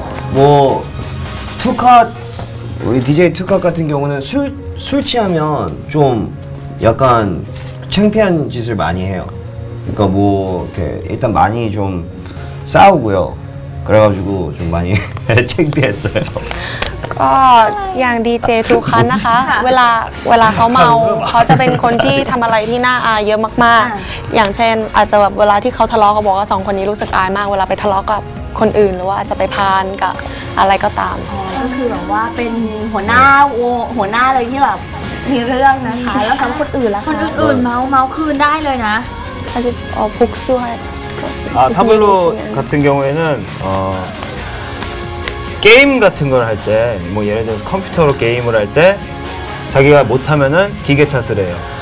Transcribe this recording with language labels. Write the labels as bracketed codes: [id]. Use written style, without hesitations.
[ko] 뭐 투컷 우리 DJ 투컷 같은 경우는 술 취하면 좀 약간 창피한 짓을 많이 해요. 그러니까 뭐 이렇게 일단 많이 좀 싸우고요. 그래가지고 좀 많이 창피했어요. [th] 그냥 DJ 두칸나카 เวลา เขา เมา เขา จะ เป็น คน ที่ ทํา อะไร ที่ น่า อาย เยอะ มาก ๆ อย่าง เช่น อาจ จะ เวลา ที่ เขา ทะเลาะ กับ บอก ว่า 2 คน นี้ รู้ สึก อาย มาก เวลา ไป ทะเลาะ กับ คน อื่น หรือ ว่า อาจ จะ ไป พาน กับ อะไร ก็ ตาม ก็ คือ แบบ ว่า เป็น หัวหน้า เลย ที่ แบบ มี เรื่อง นะคะ แล้ว สํา คน อื่น ล่ะ คน อื่น เมา คืน ได้ เลย นะ อาจ ภกซวย [ko] ทาบลู 같은 경우에는 게임 같은 걸 할 때, 뭐 예를 들어서 컴퓨터로 게임을 할 때 자기가 못하면은 기계 탓을 해요.